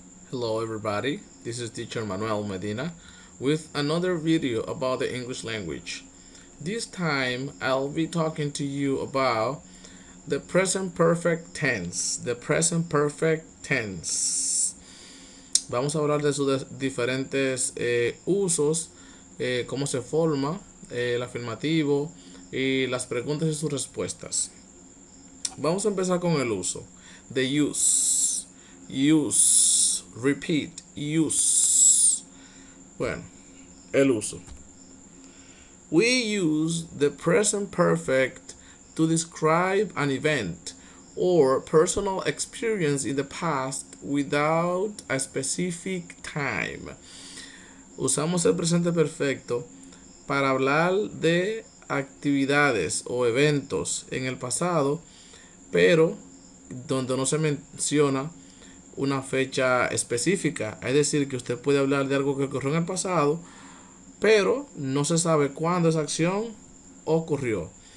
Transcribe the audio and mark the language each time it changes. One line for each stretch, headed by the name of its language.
English: Hello everybody, this is teacher Manuel Medina with another video about the English language. This time I'll be talking to you about the present perfect tense. The present perfect tense.
Spanish: Vamos a hablar de sus diferentes usos, cómo se forma el afirmativo y las preguntas y sus respuestas. Vamos a empezar con el uso.
English: The use. Repeat, use.
Spanish: Bueno, el uso.
English: We use the present perfect to describe an event or personal experience in the past without a specific time.
Spanish: Usamos el presente perfecto para hablar de actividades o eventos en el pasado, pero donde no se menciona una fecha específica. Es decir, que usted puede hablar de algo que ocurrió en el pasado, pero no se sabe cuándo esa acción ocurrió.